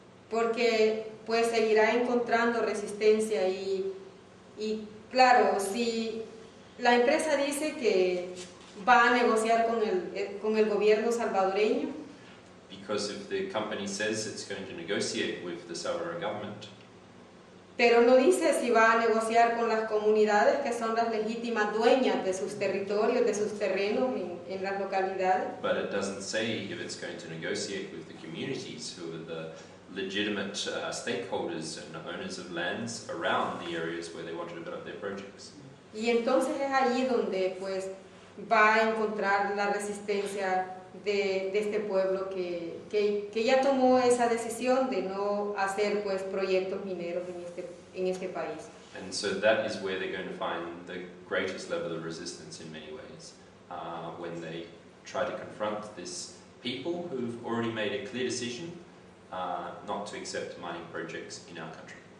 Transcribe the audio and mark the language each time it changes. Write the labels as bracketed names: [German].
[Spanish] Porque pues seguirá encontrando resistencia y claro, si la empresa dice que va a negociar con el gobierno salvadoreño. [English] Because if the company says it's going to negotiate with the Salvadoran government. [Spanish] Pero no dice si va a negociar con las comunidades que son las legítimas dueñas de sus territorios, de sus terrenos en las localidades. [English] But it doesn't say if it's going to negotiate with the communities who are the legitimate stakeholders and owners of lands around the areas where they want to develop their projects. [Spanish] Y entonces es allí donde pues va a encontrar la resistencia de este pueblo que ya tomó esa decisión de no hacer pues proyectos mineros en este país. [English] And so that is where they're going to find the greatest level of resistance in many ways, when they try to confront this people who've already made a clear decision not to accept mining projects in our country.